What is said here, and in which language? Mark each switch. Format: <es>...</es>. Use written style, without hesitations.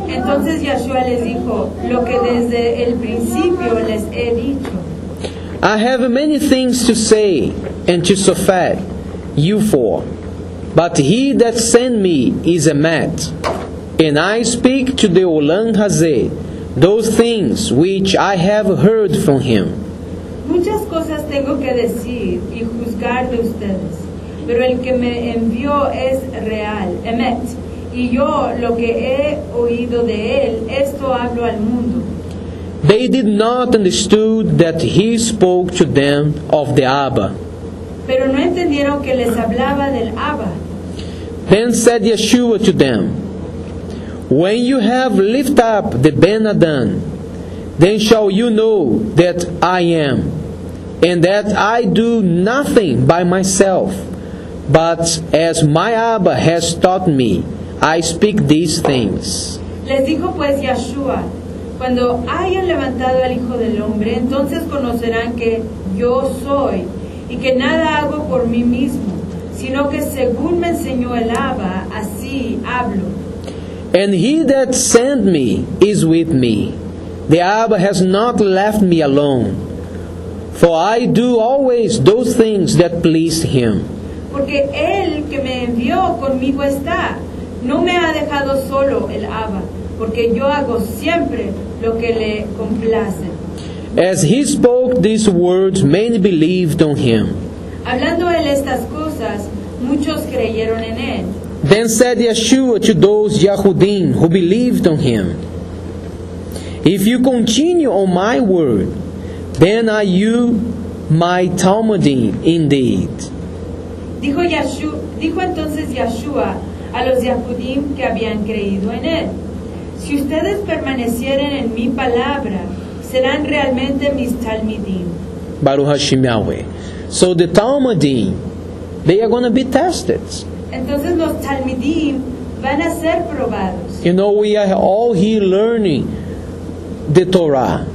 <es>Entonces Yeshua les dijo, "Lo que desde el principio les he dicho."</es> <en>"I have many things to say and to suffer you for, but he that sent me is a mat, and I speak to the Olam Hazeh those things which I have heard from him."</en> <es>Muchas cosas tengo que decir y juzgar de ustedes, pero el que me envió es real, emet, y yo lo que he oído de él, esto hablo al mundo.</es> <en>They did not understand that he spoke to them of the Abba.</en> <es>Pero no entendieron que les hablaba del Abba.</es> <en>Then said Yeshua to them, "When you have lifted up the Ben-Adam, then shall you know that I am, and that I do nothing by myself, but as my Abba has taught me, I speak these things."</en> <es>Les dijo pues Yeshua, "Cuando hayan levantado al Hijo del Hombre, entonces conocerán que yo soy, y que nada hago por mí mismo, sino que según me enseñó el Abba, así hablo."</es> <en>"And he that sent me is with me. The Abba has not left me alone. For I do always those things that please him."</en> <es>Porque el que me envió conmigo está. No me ha dejado solo el Abba, porque yo hago siempre lo que le complace.</es> <en>As he spoke these words, many believed on him.</en> <es>Hablando él estas cosas, muchos creyeron en él.</es> <en>Then said Yeshua to those Yahudim who believed on him, "If you continue on my word, then are you my Talmudim indeed."</en> <es>Dijo entonces Yeshua a los Yahudim que habían creído en él, "Si ustedes permanecieren en mi palabra, serán realmente mis Talmudim."</es> <he>Baruch Hashem Yahweh.</he> <en>So the Talmudim, they are going to be tested.</en> <es>Entonces los Talmidim van a ser probados.</es> <en>You know, we are all here learning the Torah.</en>